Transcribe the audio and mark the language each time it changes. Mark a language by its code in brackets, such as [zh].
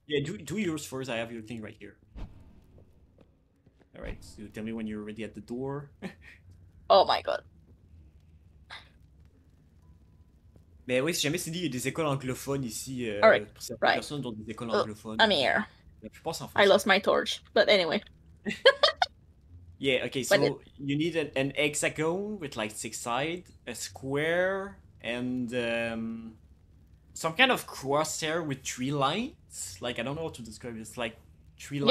[en] Yeah, do yours first. I have your thing right here. All right, so tell me when you're ready at the door. Oh my god. [fr] Mais oui, si jamais c'est dit, il y a des écoles anglophones ici. Personnes dans des écoles anglophones. [en] I'm here. [fr] Je pense en français. [en] I lost my torch, but anyway. Yeah, okay, so you need an hexagon with like six sides, a square, and some kind of crosshair with three lines. Like, I don't know how to describe it. It's like three lines.